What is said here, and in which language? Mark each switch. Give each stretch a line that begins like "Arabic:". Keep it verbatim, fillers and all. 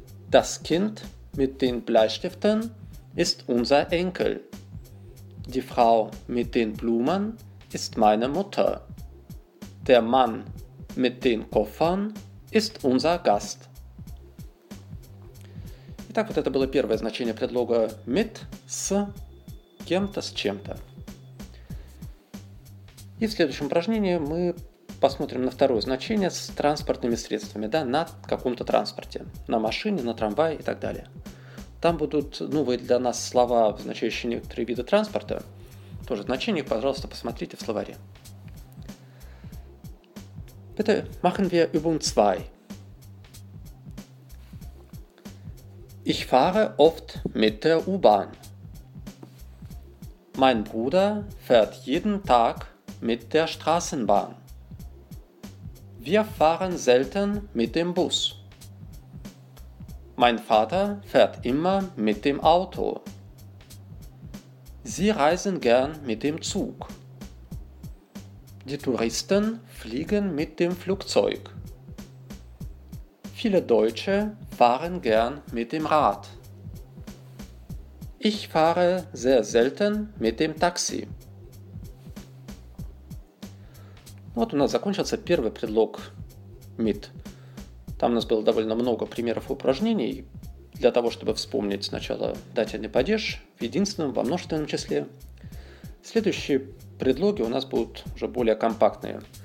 German: Das Kind mit den Bleistiften ist unser Enkel. Die Frau mit den Blumen ist meine Mutter. Der Mann mit den Koffern ist unser Gast.
Russian: Итак, вот это было первое значение предлога mit, с кем-то, с чем-то. И в следующем упражнении мы посмотрим на второе значение с транспортными средствами, да, на каком-то транспорте, на машине, на трамвае и так далее. Там будут новые для нас слова, означающие некоторые виды транспорта. Тоже значение, пожалуйста, посмотрите в словаре.
German: Bitte machen wir Übung zwei. Ich fahre oft mit der U-Bahn. Mein Bruder fährt jeden Tag mit der Straßenbahn. Wir fahren selten mit dem Bus. Mein Vater fährt immer mit dem Auto. Sie reisen gern mit dem Zug. Die Touristen fliegen mit dem Flugzeug. Viele Deutsche fahren gern mit dem Rad. Ich fahre sehr selten mit dem Taxi.
Russian: Вот у нас закончился первый предлог mit. Там у нас было довольно много примеров и упражнений. Для того, чтобы вспомнить сначала дательный падеж в единственном, во множественном числе. Следующие предлоги у нас будут уже более компактные.